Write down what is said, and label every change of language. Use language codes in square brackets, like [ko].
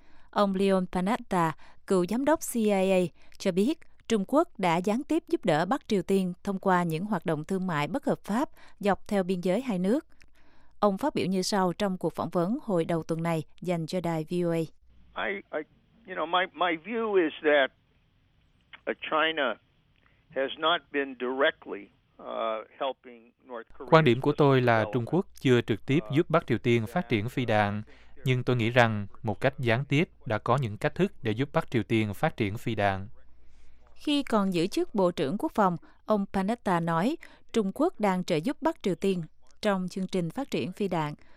[vi] Ông Leon Panetta, cựu giám đốc CIA, cho biết Trung Quốc đã gián tiếp giúp đỡ Bắc Triều Tiên thông qua những hoạt động thương mại bất hợp pháp dọc theo biên giới hai nước. Ông phát biểu như sau trong cuộc phỏng vấn hồi đầu tuần này dành cho đài VOA. [en] My view is that China has not been directly helping North Korea. [vi] Quan điểm của tôi là Trung Quốc chưa trực tiếp giúp Bắc Triều Tiên phát triển phi đạn, nhưng tôi nghĩ rằng một cách gián tiếp đã có những cách thức để giúp Bắc Triều Tiên phát triển phi đạn. Khi còn giữ chức Bộ trưởng Quốc phòng, ông Panetta nói Trung Quốc đang trợ giúp Bắc Triều Tiên trong chương trình phát triển phi đạn.